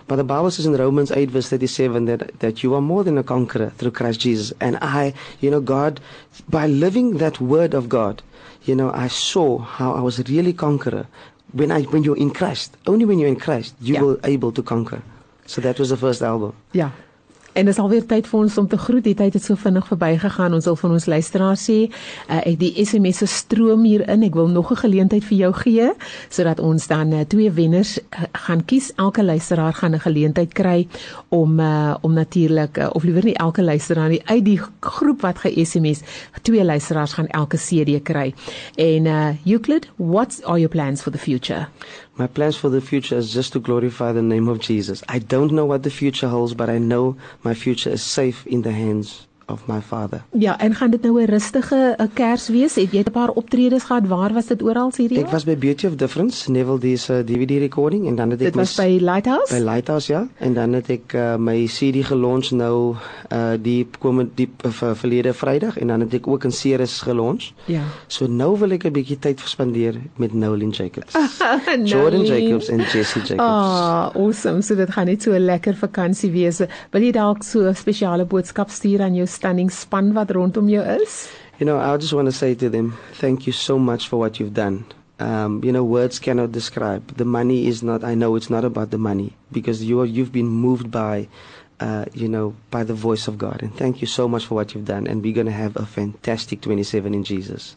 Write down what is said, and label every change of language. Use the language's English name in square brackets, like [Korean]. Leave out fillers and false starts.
[English] But the Bible says in Romans 8, verse 37, that you are more than a conqueror through Christ Jesus. And I, you know, God, by living that word of God, you know, I saw how I was really conqueror. When you're in Christ, only when you're in Christ, you will able to conquer. So that was the first album. Yeah. [Afrikaans] En is alweer tyd vir ons om te groet. Die tyd het so vinnig verby gegaan. Ons wil van ons luisteraar sê, die SMS se stroom hier in. Ek wil nog 'n geleentheid vir jou gee, sodat ons dan twee wenners gaan kies. Elke luisteraar gaan 'n geleentheid kry om of liewer nie elke luisteraar nie, uit die groep wat ge-SMS, twee luisteraars gaan elke CD kry. En [English] Euclid, what are your plans for the future? My plans for the future is just to glorify the name of Jesus. I don't know what the future holds, but I know my future is safe in the hands of my Father. [Afrikaans] Ja, en gaan dit nou 'n rustige kers wees? Het jy 'n paar optredes gehad? Waar was dit oral hierdie? Ek was by Beauty of Difference, Neville D's DVD recording, en dan het ek dit was by Lighthouse? By Lighthouse, ja. En dan het ek my CD gelaunch nou verlede Vrydag, en dan het ek ook in series gelaunch. Ja. So nou wil ek 'n bietjie tyd verspandeer met Nolan Jacobs. Jordan Jacobs en Jesse Jacobs. [English] Ah, awesome. [Afrikaans] So dit gaan net so 'n lekker vakansie wees. Wil jy dalk so 'n spesiale boodskap stuur aan stunning span wat rondom jou is? [English] You know, I just want to say to them, thank you so much for what you've done. You know, words cannot describe. The money is not, I know it's not about the money, because you've been moved by by the voice of God. And thank you so much for what you've done. And we're going to have a fantastic 27 in Jesus.